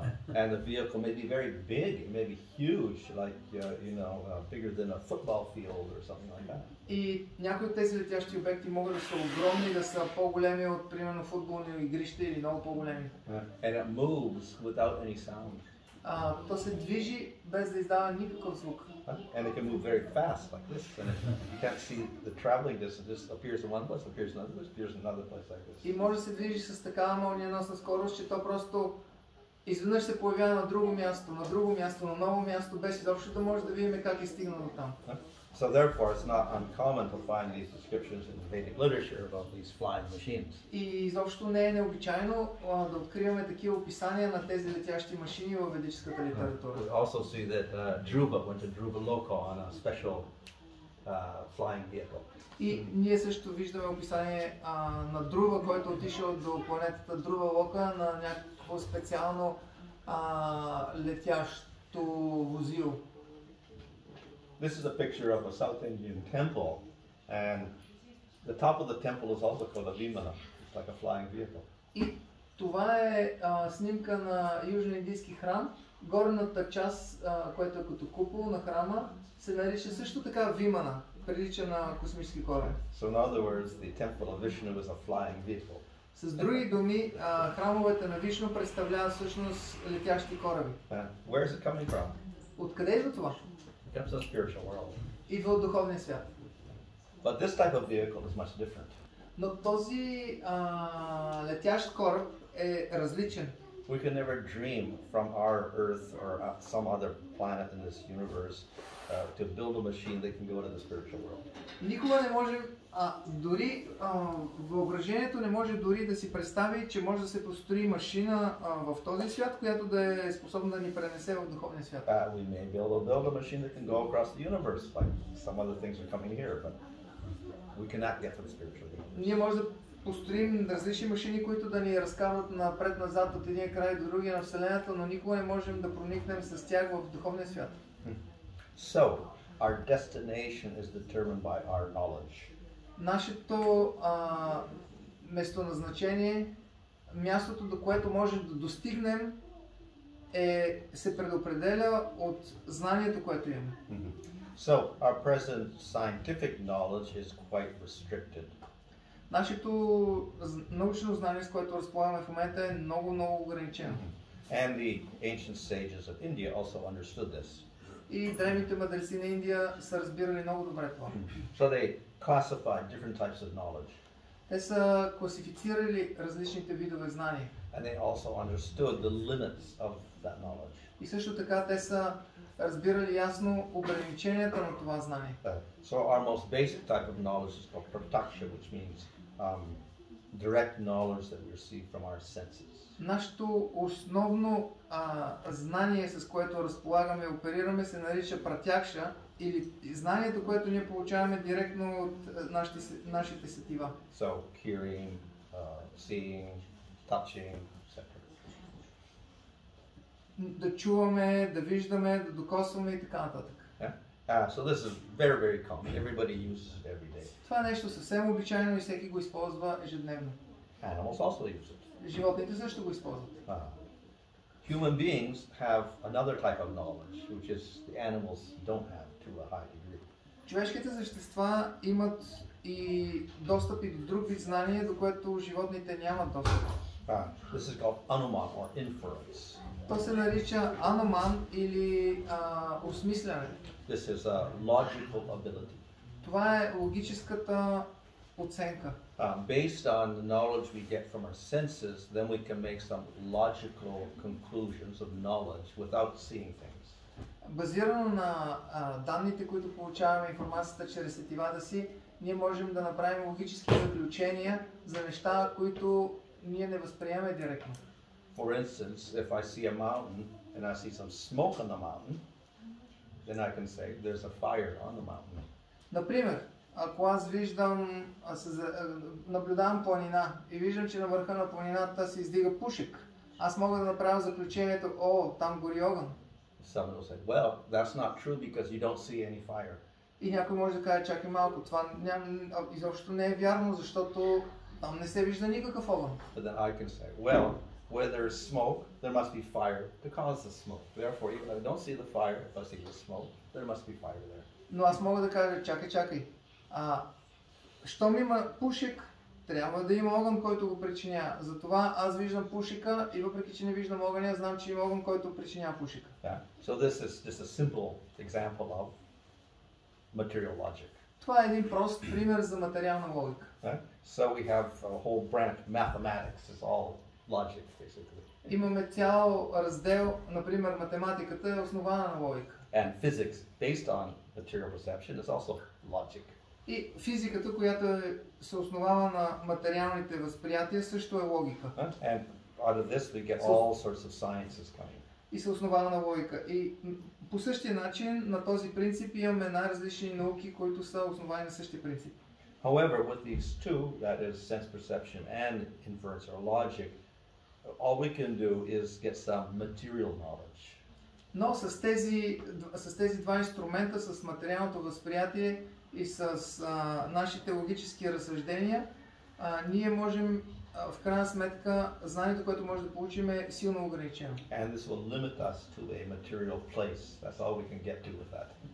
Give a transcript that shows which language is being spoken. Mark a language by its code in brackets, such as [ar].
[en] And the vehicle may be very big, it may be huge, like bigger than a football field or something like that. [bg] И някои от тези летящи обекти могат да са огромни, да са по-големи от примерно футболни игрища или много по-големи. [en] And it moves without any sound. [bg] То се движи без да издава никакъв звук. [en] And it can move very fast like this. And you can't see the traveling distance. It just appears in one place, appears in another place, appears in another place like this. [bg] И може да се движи с такава молниеносна скорост, че то просто изведнъж се появява на друго място, на ново място, без изобщо да може да видим как е стигнал до там. [en] So therefore, it's not uncommon to find these descriptions in the Vedic literature about these flying machines. [bg] И изобщо не е необичайно да откриваме такива описания на тези летящи машини във ведическата литература. [en] We also see that Dhruva went to Dhruva Loka on a special flying vehicle. [bg] И ние също виждаме описание на Друва, който отишъл до планетата Друва Лока на някакво специално летящо возило. [en] This is a picture of a South Indian temple, and the top of the temple is also called a vimana, like a flying vehicle. [bg] И това е снимка на южноиндийски храм. Горната част, която е като купол на храма, се нарича също така вимана, прилича на космически кораб. [en] So in other words, the temple of Vishnu is a flying vehicle. [bg] С други думи, храмовете на Вишну представляват всъщност летящи кораби. [en] Where is it coming from? [bg] Откъде идва това? [en] Comes from the spiritual world. [bg] Идва от духовния свят. [en] But this type of vehicle is much different. [bg] Но този летящ кораб е различен. [en] We can never dream from our earth or some other planet in this universe to build a machine that can go into the spiritual world. [bg] Никога не можем, дори въображението не може дори да си представи, че може да се построи машина в този свят, която да е способна да ни пренесе в духовния свят. [en] We may be able to build a machine that can go across the universe, like some other things are coming here, but we cannot get to the spiritual world. [bg] Ние може да построим различни машини, които да ни разкарват напред-назад от един край до другия на Вселената, но никога не можем да проникнем с тях в духовния свят. [en] So, our destination is determined by our knowledge. [bg] Нашето местоназначение, мястото, до което можем да достигнем, се предопределя от знанието, което имаме. [en] So, our present scientific knowledge is quite restricted. [bg] Нашето научно знание, с което разполагаме в момента, е много, много ограничено. [en] And the ancient sages of India also understood this. [bg] И древните мъдреци на Индия са разбирали много добре това. [en] So they classified different types of knowledge. [bg] Те са класифицирали различните видове знания. [en] And they also understood the limits of that knowledge. [bg] И също така те са разбирали ясно ограниченията на това знание. [en] So our most basic type of knowledge is called pratyaksha, which means direct knowledge that we receive from our senses. [bg] Нашето основно знание, с което разполагаме и оперираме, се нарича пратякша, или знанието, което ние получаваме директно от нашите сетива. [en] So, hearing, seeing, touching, etc. [bg] Да чуваме, да виждаме, да докосваме и така нататък. [en] So this is very, very common. Everybody uses it every day. [bg] Това е нещо съвсем обичайно и всеки го използва ежедневно. [en] Animals also use it. [bg] Животните също го използват. [en] Human beings have another type of knowledge, which is the animals don't have to a high degree. [bg] Човешките същества имат и достъп и до друг вид знание, до което животните нямат достъп. [en] This is called anuman or inference. [bg] То се нарича ануман или осмисляне. [en] This is a logical ability. [bg] Това е логическата оценка. [en] Based on the knowledge we get from our senses, then we can make some logical conclusions of knowledge without seeing things. [bg] Базирано на данните, които получаваме, информацията чрез сетивата си, ние можем да направим логически заключения за неща, които ние не възприемаме директно. [en] For instance, if I see a mountain and I see some smoke on the mountain, then I can say there's a fire on the mountain. [bg] Например, ако аз виждам, наблюдавам планина и виждам, че на върха на планината се издига пушек, аз мога да направя заключението: о, там гори огън. [en] Someone will say, well, that's not true because you don't see any fire. [bg] И някой може да каже: чакай малко, това изобщо не е вярно, защото там не се вижда никакъв огън. [en] But then I can say, well, where there is smoke, there must be fire to cause the smoke. Therefore, even if I don't see the fire, if I see the smoke, there must be fire there. [bg] Но аз мога да кажа: чакай. Щом има пушек, трябва да има огън, който го причиня. Затова аз виждам пушека и въпреки, че не виждам огъня, знам, че има огън, който причиня пушека. [en] So this is just a simple example of material logic. [bg] Това е един прост пример за материална логика. [en] So we have a whole branch, mathematics is all logic, basically. [bg] Имаме цял раздел, например, математиката е основана на логика. [en] And physics, based on material perception, is also logic. [bg] И физиката, която се основава на материалните възприятия, също е логика. [en] And out of this we get all sorts of sciences coming. [bg] И се основава на логика. И по същия начин, на този принцип, имаме най-различни науки, които са основани на същия принцип. [en] However, with these two, that is sense perception and inference or logic, all we can do is get some material knowledge. [bg] Но с тези два инструмента, с материалното възприятие и с нашите логически разсъждения, ние можем, в крайна сметка, знанието, което може да получим, е силно ограничено. [en] And this will limit us to a material place. That's all we can get to with that.